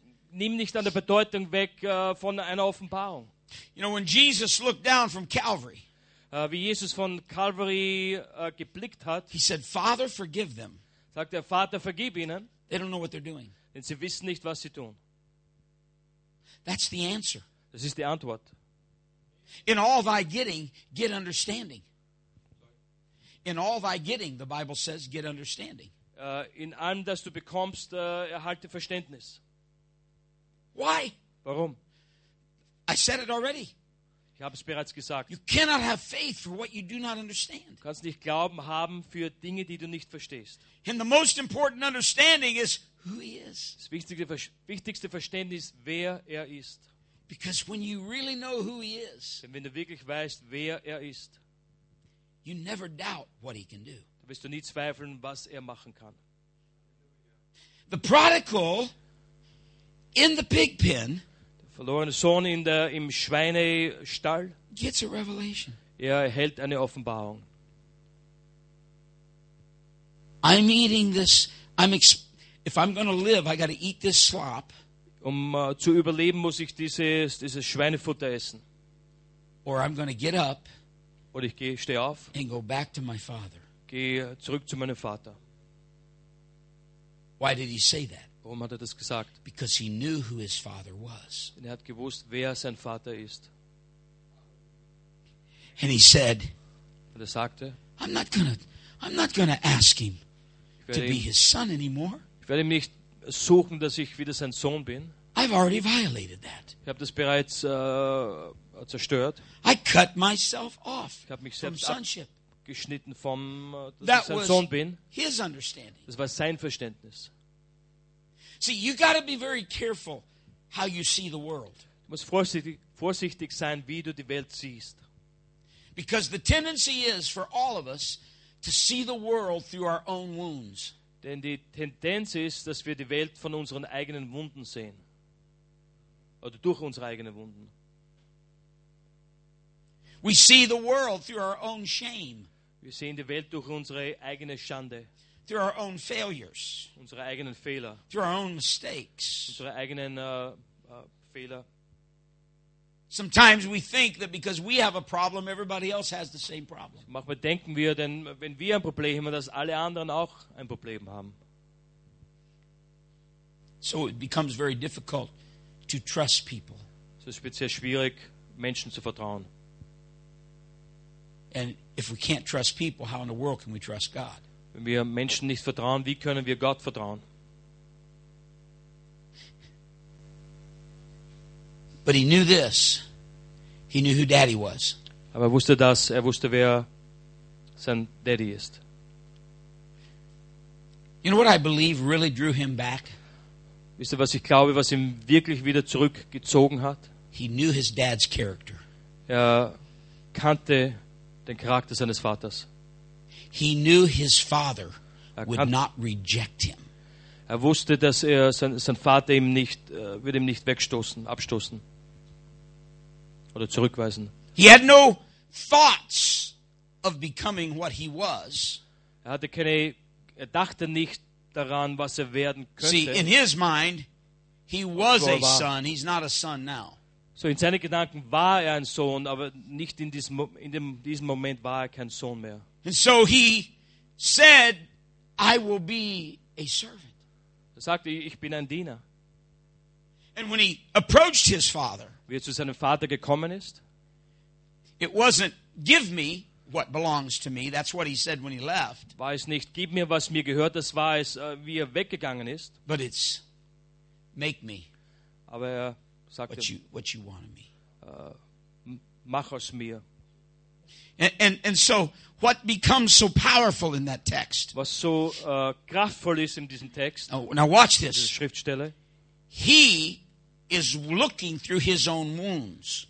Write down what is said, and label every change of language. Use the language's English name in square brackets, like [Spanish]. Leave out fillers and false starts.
[German] Nimm nicht an der Bedeutung weg von einer Offenbarung. [English] You know, when Jesus looked down from Calvary, [German] wie Jesus von Calvary geblickt hat, [English] he said, "Father, forgive them." [German] Sagt der Vater, vergib ihnen. [English] They don't know what they're doing. [German] Denn sie wissen nicht, was sie tun. [English] That's the answer. [German] Das ist die Antwort. [English] In all thy getting, get understanding. In all thy getting, the Bible says, get understanding. [German] in allem, das du bekommst, erhalte Verständnis. [English] Why? [German] Warum? [English] I said it already. [German] Ich habe es bereits gesagt. [English] You cannot have faith for what you do not understand. [German] Du kannst nicht Glauben haben für Dinge, die du nicht verstehst. [English] And the most important understanding is who he is. [German] Das wichtigste Verständnis, wer er ist. [English] Because when you really know who he is, [German] denn wenn du wirklich weißt, wer er ist, [English] you never doubt what he can do. [German] Dann wirst du nie zweifeln, was er machen kann. [English] The prodigal in the pig pen. [German] Verlorene Sohn in der, im Schweinestall. [English] Gets a revelation. [German] Er erhält eine Offenbarung. [English] I'm eating this. If I'm going to live, I got to eat this slop. [German] Um zu überleben, muss ich dieses Schweinefutter essen. [English] Or I'm going to get up. [German] Oder ich stehe auf. [English] And go back to my father. [German] Gehe zurück zu meinem Vater. [English] Why did he say that? [German] Warum hat er das gesagt? [English] Because he knew who his father was. [German] Er hat gewusst, wer sein Vater ist. [English] And he said, [German] und er sagte, [English] I'm not gonna ask him to be his son anymore. [German] Ich werde ihm nicht suchen, dass ich wieder sein Sohn bin. [English] I've already violated that. [German] Ich habe das bereits zerstört. [English] I cut myself off. [German] Ich habe mich selbst abgeschnitten vom, dass ich sein Sohn bin. [English] His understanding. [German] Das war sein Verständnis. [English] See, you got to be very careful how you see the world. [German] Du musst vorsichtig sein, wie du die Welt siehst. [English] Because the tendency is for all of us to see the world through our own wounds. [German] Denn die Tendenz ist, dass wir die Welt von unseren eigenen Wunden sehen. Oder durch unsere eigenen Wunden. [English] We see the world through our own shame. [German] Wir sehen die Welt durch unsere eigene Schande. [English] Through our own failures, [German] unsere eigenen Fehler. [English] Through our own mistakes, [German] unsere eigenen Fehler. [English] Sometimes we think that because we have a problem, everybody else has the same problem. [German] Manchmal denken wir, denn wenn wir ein Problem haben, dass alle anderen auch ein Problem haben. [English] So it becomes very difficult to trust people. [German] Es ist speziell schwierig, Menschen zu vertrauen. [English] And if we can't trust people, how in the world can we trust God? [German] Wenn wir Menschen nicht vertrauen, wie können wir Gott vertrauen? [English] But he knew this. He knew who Daddy was. [German] Aber er wusste das. Er wusste, wer sein Daddy ist. [English] You know what I believe really drew him back? [German] Wisst ihr, was ich glaube, was ihn wirklich wieder zurückgezogen hat? [English] He knew his dad's character. [German] Er kannte den Charakter seines Vaters. [English] He knew his father would not reject him. [German] Er wusste, dass sein Vater ihm nicht wegstoßen, abstoßen oder zurückweisen. [English] He had no thoughts of becoming what he was. [German] Er dachte nicht daran, was er werden könnte. [English] See, in his mind, he was a son. He's not a son now. [German] So in seinen Gedanken war er ein Sohn, aber nicht in diesem Moment war er kein Sohn mehr. [English] And so he said, I will be a servant. [German] Er sagte, ich bin ein Diener. [English] And when he approached his father, [German] wie er zu seinem Vater gekommen ist, [English] it wasn't, give me what belongs to me. That's what he said when he left. [German] War es nicht, gib mir, was mir gehört. Das war es, wie er weggegangen ist. [English] But it's, make me. [German] Aber er sagte, [English] what you want of me. [German] Mach aus mir. [English] And so what becomes so powerful in that text? [German] Was so kraftvoll ist in diesem Text. [English] Now watch this. [German] Diese Schriftstelle. [English] He is looking through his own wounds.